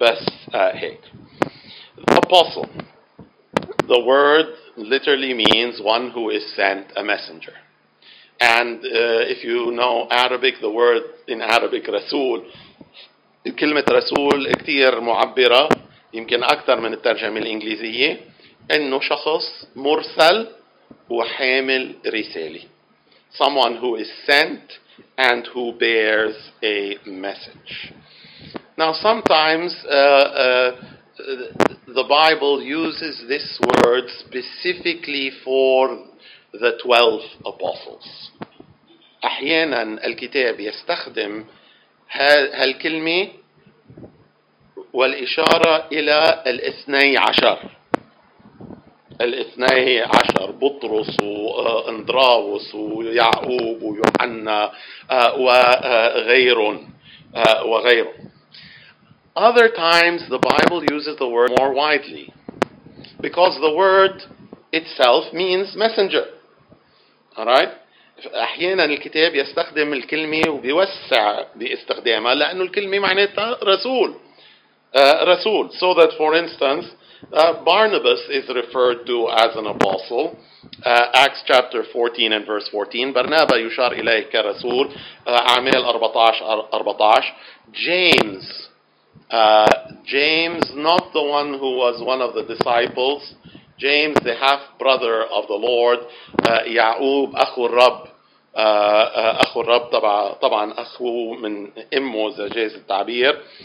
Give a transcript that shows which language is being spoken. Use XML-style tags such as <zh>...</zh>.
<ar>بس هيك. Apostle.</ar> <en>The word literally means one who is sent a messenger. And if you know Arabic, the word in Arabic,</en> <ar>Rasul, كلمة رسول كتير معبرة يمكن أكثر من الترجمة الإنجليزية إنه شخص مرسل وحامل رسالة.</ar> <en>Someone who is sent and who bears a message. Now sometimes the Bible uses this word specifically for the 12 apostles.</en> <ar>أحيانا الكتاب يستخدم هالكلمة والإشارة إلى الاثني عشر. الاثني عشر بطرس وإندراوس ويعقوب ويوحنا وغيره.</ar> <en>Other times the Bible uses the word more widely because the word itself means messenger. All right?</en> <ar>احيانا الكتاب يستخدم الكلمه وبيوسع باستخدامها لانه الكلمه معناتها رسول رسول.</ar> <en>So that for instance Barnabas is referred to as an apostle. Acts chapter 14 and verse 14.</en> <ar>Barnaba يشار إليه كرسول. أعمال 14:14. James.</ar> <en>James, not the one who was one of the disciples. James, the half brother of the Lord.</en> <ar>يعقوب أخو الرب. أخو الرب طبعا أخو من أمه إذا جاز التعبير.</ar>